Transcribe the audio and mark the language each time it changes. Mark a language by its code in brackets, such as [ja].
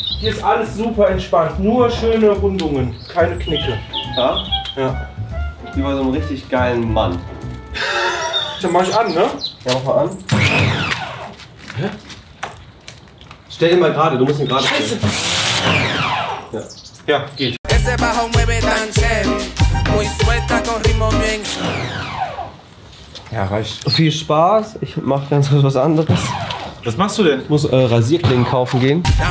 [de] Hier ist alles super entspannt. Nur schöne Rundungen. Keine Knicke. Ja? Ja. Ich bin bei so einem richtig geilen Mann. Dann mach ich an, ne? Ja, mach mal an. Stell ihn mal gerade, du musst ihn gerade stellen. Scheiße! Ja. Ja, geht. [es] Ese bajo mueve tan chévere. Muy suelta con ritmo bien. [de] Ja, reicht. Viel Spaß, ich mach ganz kurz was anderes. Was machst du denn? Ich muss Rasierklingen kaufen gehen.